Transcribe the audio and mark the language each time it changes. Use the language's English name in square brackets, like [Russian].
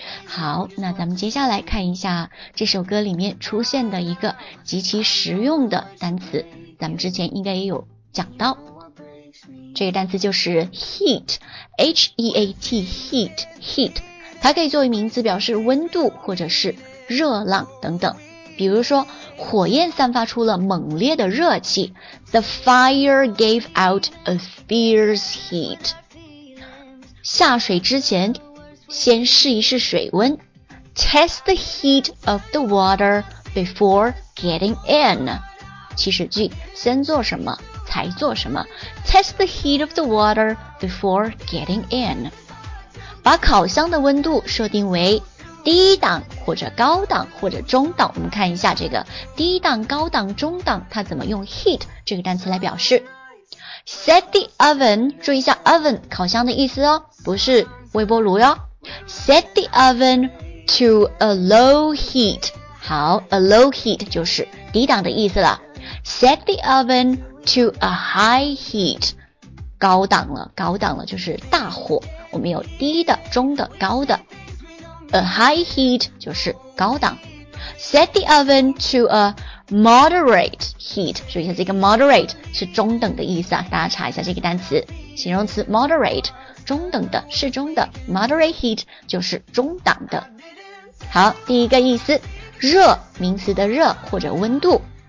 [Chinese] 好，那咱们接下来看一下这首歌里面出现的一个极其实用的单词，咱们之前应该也有讲到，这个单词就是 heat， H-E-A-T， heat， heat， 它可以作为名词表示温度或者是热浪等等。比如说火焰散发出了猛烈的热气， [English] The fire gave out a fierce heat。 [Chinese] 下水之前先试一试水温， [English] Test the heat of the water before getting in。 [Chinese] 祈使句先做什么才做什么， [English] Test the heat of the water before getting in。 [Chinese] 把烤箱的温度设定为低档或者高档或者中档，我们看一下这个低档高档中档它怎么用 heat 这个单词来表示。 [English] Set the oven， [Chinese] 注意一下 oven 烤箱的意思哦，不是微波炉哟。 [English] Set the oven to a low heat， 好， a low heat [Chinese] 就是低档的意思了。 [English] Set the oven to a high heat， [Chinese] 高档了，高档了就是大火，我们有低的中的高的。 [English] a high heat [Chinese] 就是高档。 [English] Set the oven to a moderate heat. [Chinese] 注意一下这个 moderate 是中等的意思啊，大家查一下这个单词。形容词 moderate, 中等的，适中的。 [English] Moderate heat [Chinese] 就是中档的。好，第一个意思，热，名词的热或者温度。